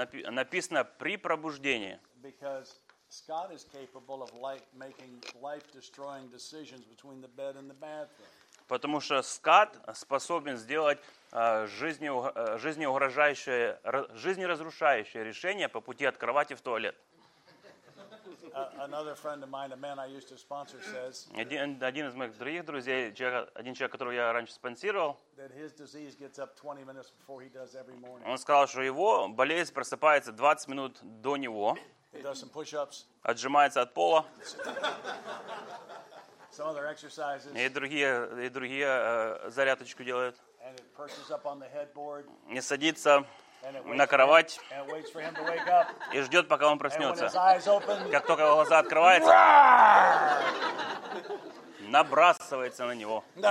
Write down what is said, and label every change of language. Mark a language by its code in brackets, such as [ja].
[ru] Написано «при пробуждении». [en] Scott is capable of like making life-destroying decisions between the bed and the bathroom. [ru] Потому что Скотт способен сделать жизнеугрожающее, жизнеразрушающее решение по пути от кровати в туалет. [en] Another friend of mine, a man I used to sponsor, says. [ru] Один из моих других друзей, один человек, которого я раньше спонсировал. [en] That his disease gets up 20 minutes before he does every morning. [ru] Он сказал, что его болезнь просыпается 20 минут до него. [en] Does some push-ups. [ru] Отжимается от пола. [en] Some other exercises. [ru] И другие зарядочку делают. [en] And it perches up on the headboard. [ru] Не садится на кровать. [en] And it waits for him to wake up. [ru] И ждет, пока он проснется. [en] And when his eyes open, [ru] как только глаза открываются, набрасывается на него.